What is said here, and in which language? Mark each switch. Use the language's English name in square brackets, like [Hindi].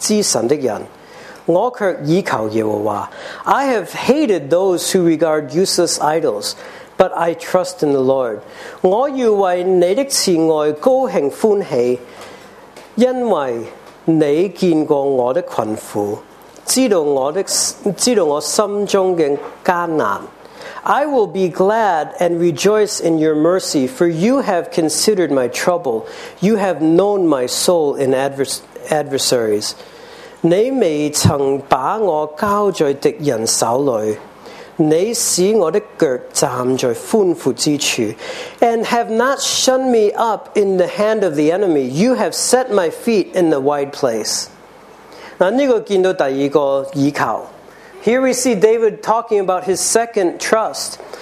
[Chinese] 我恨那信奉虚无之神的人，我却倚靠耶和华。 [English] I have hated those who regard useless idols, but I trust in the Lord. [Chinese] 我要为你的慈爱高兴欢喜， 因为你见过我的困苦，知道我心中的艰难。 [English] I will be glad and rejoice in your mercy, for you have considered my trouble. You have known my soul in adversaries. [Chinese] 你未曾把我交在敌人手里， 你使我的脚站在宽阔之处， [English] and have not shunned me up in the hand of the enemy. You have set my feet in the wide place. [Chinese] 这个见到第二个倚靠。 [English] Here we see David talking about his second trust.